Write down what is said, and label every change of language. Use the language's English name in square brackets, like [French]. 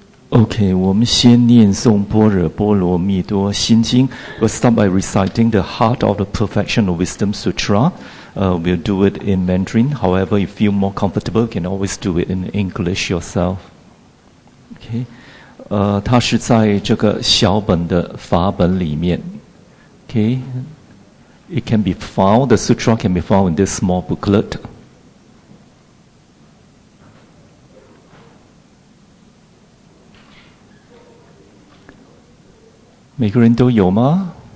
[Chinese] OK, 我们先念诵般若波罗蜜多心经。 [English] We'll start by reciting the Heart of the Perfection of Wisdom Sutra. We'll do it in Mandarin. However, if you feel more comfortable, you can always do it in English yourself. [Chinese] OK, 它是在这个小本的法本里面。 [English] OK, it can be found, the sutra can be found in this small booklet. [Chinese] 每个人都有吗?